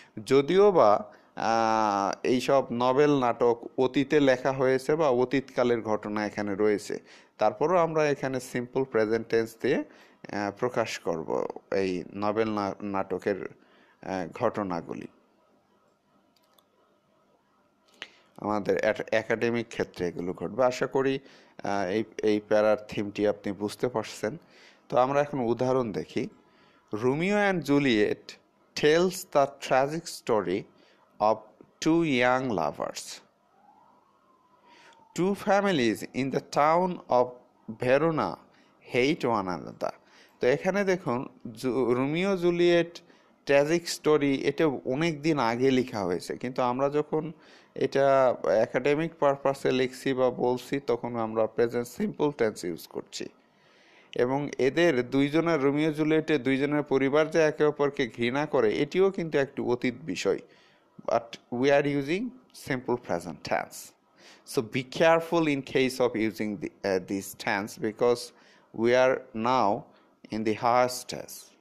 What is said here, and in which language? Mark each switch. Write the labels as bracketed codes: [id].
[bn] যদিও বা এইসব নভেল, নাটক অতীতে লেখা হয়েছে বা অতীতকালের ঘটনা এখানে রয়েছে, তারপরও আমরা এখানে সিম্পল প্রেজেন্ট টেন্স দিয়ে প্রকাশ করব এই নভেল নাটকের ঘটনাগুলি আমাদের একাডেমিক ক্ষেত্রে এগুলো ঘটবে। আশা করি এই এই প্যারার থিমটি আপনি বুঝতে পারছেন। তো আমরা এখন উদাহরণ দেখি। [en] Romeo and Juliet tells the tragic story of too young lovers. Two families in the town of Verona hate one another. [bn] তো এখানে দেখুন, রোমিও জুলিয়েট ট্র্যাজিক স্টোরি এটা অনেক দিন আগে লেখা হয়েছে, কিন্তু আমরা যখন এটা অ্যাকাডেমিক পারপাসে লিখছি বা বলছি তখন আমরা প্রেজেন্ট সিম্পল টেন্স ইউজ করছি। এবং এদের দুইজনের, রোমিও জুলিয়েটের দুইজনের পরিবার যে একে অপরকে ঘৃণা করে এটিও কিন্তু একটি অতীত বিষয়, [en] But we are using simple present tense. So be careful in case of using the, this tense because we are now in the harsh tense.